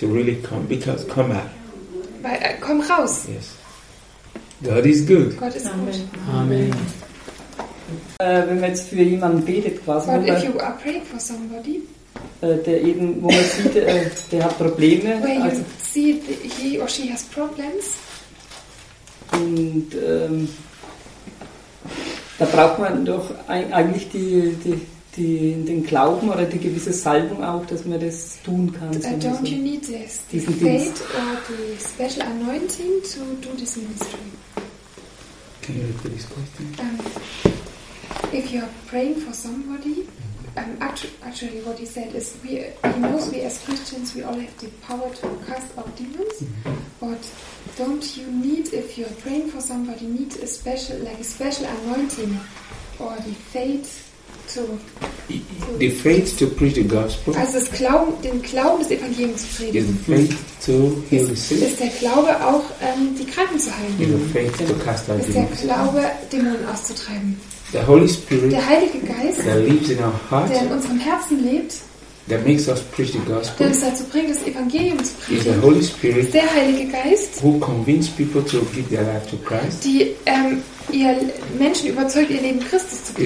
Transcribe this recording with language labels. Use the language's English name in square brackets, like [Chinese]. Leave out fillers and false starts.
[English] To really come, because come out. [German] Weil, komm raus. [English] Yes. God is good. [German] Gott ist Amen. Gut. Amen. Wenn man jetzt für jemanden betet, quasi. [English] But if you are praying for somebody, [German] der eben, wo man sieht, der hat Probleme. [English] Where you also, see he or she has problems. [German] Und da braucht man doch eigentlich den Glauben oder die gewisse Salbung auch, dass man das tun kann. [English] So don't you need this? The faith or the special anointing to do this ministry? Can you repeat this question? If you're praying for somebody, actually what he said is, he knows we as Christians, we all have the power to cast out demons, mm-hmm. but don't you need, if you're praying for somebody, need a special, like a special anointing or the faith to the faith to preach the gospel. [German] Also das Glauben, den Glauben des Evangeliums zu predigen. [English] Is the faith to heal the sick. [German] Ist der Glaube auch die Kranken zu heilen. [English] Is the faith to cast out demons. [German] Ist der Glaube Dämonen auszutreiben. [English] The Holy Spirit. [German] Der Heilige Geist. [English] That lives in our heart. [German] Der in unserem Herzen lebt. [English] That makes us preach the gospel. [German] Der uns dazu bringt, das Evangelium zu predigen. [English] Is the Holy Spirit. [German] Ist der Heilige Geist. [English] Who convince people to give their life to Christ. [German] Die ihr Menschen überzeugt, ihr Leben Christus zu geben.